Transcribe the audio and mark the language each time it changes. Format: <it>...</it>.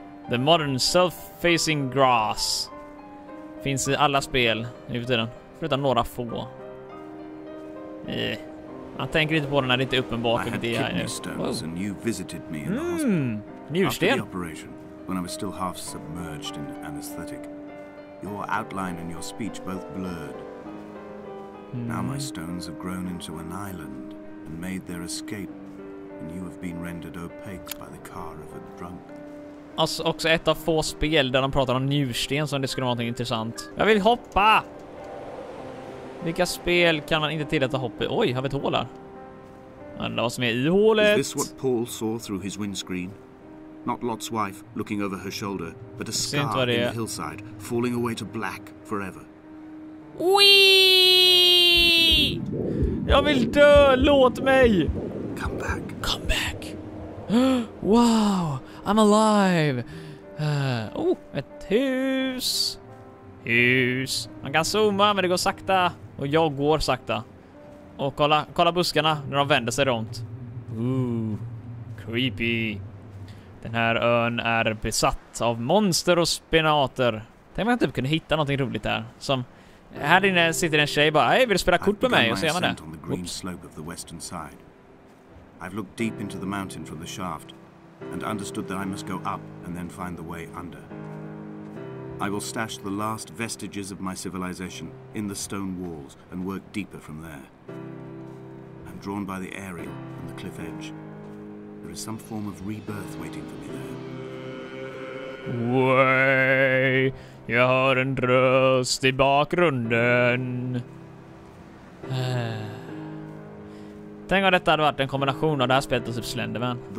<en>The modern self-facing grass</en> <sv>finns i alla spel nu för tiden, förutom några få. Man tänker inte på den när det inte är uppenbart.</sv> <en>I had kidney stones and you visited me in the hospital.</en> <sv>Njursten.</sv> <en>After the operation, when I was still half submerged in anesthetic, your outline and your speech both blurred. Now my stones have grown into an island and made their escape, and you have been rendered opaque by the car of a drunk.</en> <sv>Alltså också ett av få spel där de pratar om njursten, som det skulle vara något intressant. Jag vill hoppa! Vilka spel kan man inte tillåta hopp i? Oj, har vi ett hål här? Alla som är i hålet.</sv> <en>Is this what Paul saw through his windscreen? Not Lot's wife looking over her shoulder, but a scar in the hillside falling away to black forever.</en> <sv>Wee! Jag vill dö, låt mig!</sv> <en>Come back. Come back. Wow! I'm alive!</en> <sv>Ett hus! Hus! Man kan zooma, men det går sakta. Och jag går sakta. Och kolla buskarna när de vänder sig runt. Creepy! Den här ön är besatt av monster och spinater. Tänk om jag typ kunde hitta något roligt där. Som, här inne sitter en tjej och bara, vill du spela kort med mig? Och så gör man det.</sv> <en>On the green slope of the western side. I've looked deep into the mountain from the shaft. And understood that I must go up and then find the way under. I will stash the last vestiges of my civilization in the stone walls and work deeper from there. I'm drawn by the aerial and the cliff edge. There is some form of rebirth waiting for me there.</en> <sv>Way, jag hör en röst i bakgrunden. Tänk om detta hade varit en kombination av det här spelet och typ Slenderman.</sv>